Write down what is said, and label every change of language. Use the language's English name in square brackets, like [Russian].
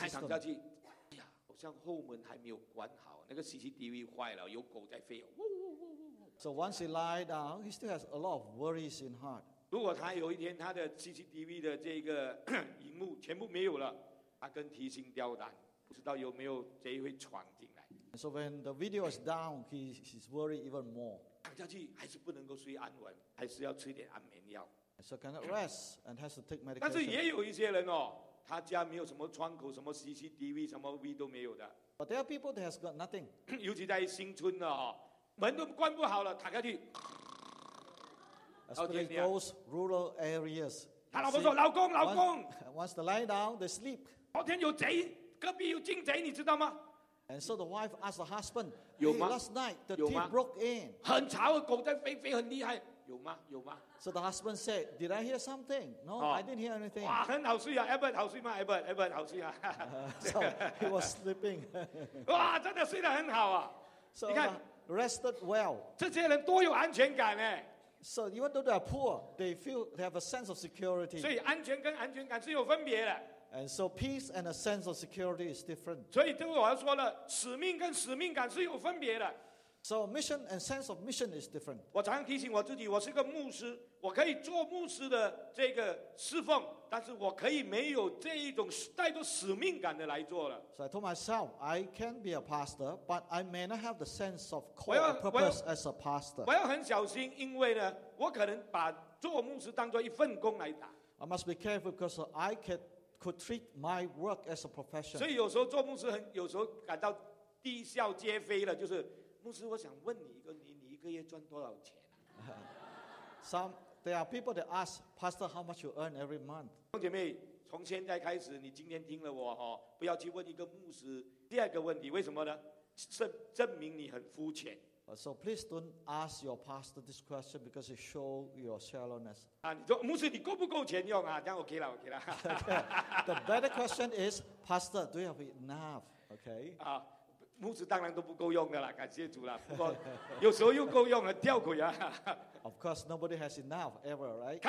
[Chinese] 还躺下去，哎呀，好像后门还没有关好，那个 CCTV 坏了，有狗在飞。 [English] So once he lie down, he still has a lot of worries in heart. [Chinese] 如果他有一天他的 CCTV 的这个荧幕全部没有了，他更提心吊胆，不知道有没有贼会闯进来。 [English] So when the video is down, he's worried even more. [Chinese] 躺下去还是不能够睡安稳，还是要吃点安眠药。 [English] So cannot rest and has to take medication. [Chinese] 但是也有一些人哦，他家没有什么窗口，什么 CCTV， 什么 V 都没有的。 [English] But there are people that has got nothing. [Chinese] 尤其在新村呢、哦，门都关不好了，躺下去。 [English] Especially those rural areas. [Chinese] 他老婆说：“老公，老公。 [English] ”Once they lie down, they sleep. [Chinese] 昨天有贼，隔壁有进贼，你知道吗？ [English] And so the wife asked the husband, hey, last night the thief broke in. [Chinese] 很吵，狗在飞飞，很厉害。有吗？有吗？ [English] So the husband said, did I hear something? No,、oh. I didn't hear anything. [Chinese] 哇，很好睡啊 ，Evan 好睡吗 ？Evan, Evan 好睡啊。 [English] So he was sleeping. [Chinese] 哇，真的睡得很好啊。 [English] So, [Chinese] 你看 [English] ，rested well. [Chinese] 这些人多有安全感哎。 [English] So even though they are poor, they feel they have a sense of security. [Chinese] 所以安全跟安全感是有分别的。 [English] And so peace and a sense of security is different. [Chinese] 所以对我来说呢，使命跟使命感是有分别的。 [English] So mission and sense of mission is different. [Chinese] 我常提醒我自己，我是个牧师，我可以做牧师的这个侍奉，但是我可以没有这一种带着使命感的来做了。 [English] So I told myself, I can be a pastor, but I may not have the sense of call and purpose as a pastor. [Chinese] 我要很小心，因为呢，我可能把做牧师当作一份工来打。 [English] I must be careful because I could treat my work as a profession. [Chinese] 所以有时候做牧师很，有时候感到啼笑皆非了，就是。牧师，我想问你一个，你一个月赚多少钱、啊、 [English] there are people that ask pastor how much you earn every month. [Chinese] 姐妹，从现在开始，你今天听了我、哦、不要去问一个牧师第二个问题，为什么呢？证明你很肤浅。 [English] So please don't ask your pastor this question because it shows your shallowness. [Chinese] 啊，你说牧师你够不够钱用啊？这样 OK 了 ，OK 了。 [English] The better question is, pastor, do you have enough? Okay. 啊。 [Chinese] 牧师当然都不够用的了，感谢主了。不过有时候又够用了，吊诡啊。 [English] Of course, nobody has enough ever, right?